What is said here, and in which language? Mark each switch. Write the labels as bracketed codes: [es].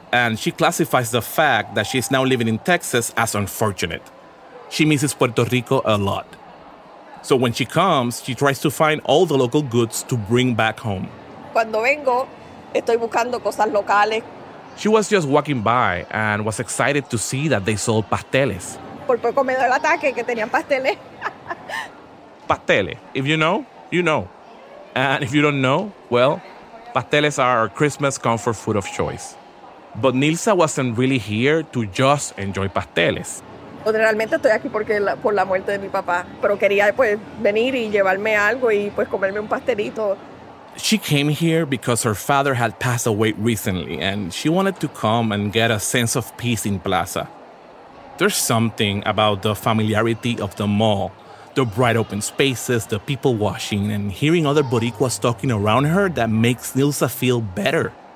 [en] And she classifies the fact that she's now living in Texas as unfortunate. She misses Puerto Rico a lot. So when she comes, she tries to find all the local goods to bring back home. [es] Cuando vengo, estoy buscando cosas locales. [en] She was just walking by and was excited to see that they sold pasteles. [es] Por poco me dio el ataque que tenían pasteles. [en] Pasteles. If you know, you know. And if you don't know, well, pasteles are our Christmas comfort food of choice. But Nilsa wasn't really here to just enjoy pasteles. [es] Realmente estoy aquí porque por la muerte de mi papá, pero quería pues venir y llevarme algo y pues comerme un pastelito. [en] She came here because her father had passed away recently and she wanted to come and get a sense of peace in Plaza. There's something about the familiarity of the mall. The bright open spaces, the people washing, and hearing other Boricuas talking around her that makes Nilsa feel better.